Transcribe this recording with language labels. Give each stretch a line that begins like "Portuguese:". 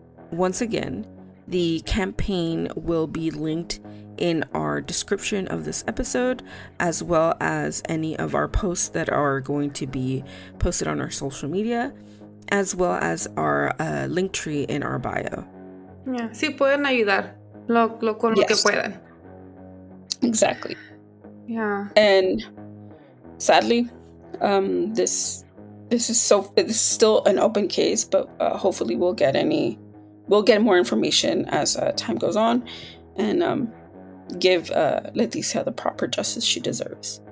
English: Once again, the campaign will be linked in our description of this episode, as well as any of our posts that are going to be posted on our social media, as well as our link tree in our bio.
Spanish: Yeah, sí pueden ayudar lo con lo que puedan.
English: Exactly. Yeah. And sadly, this is still an open case, but hopefully we'll get more information as time goes on, and give Leticia the proper justice she deserves.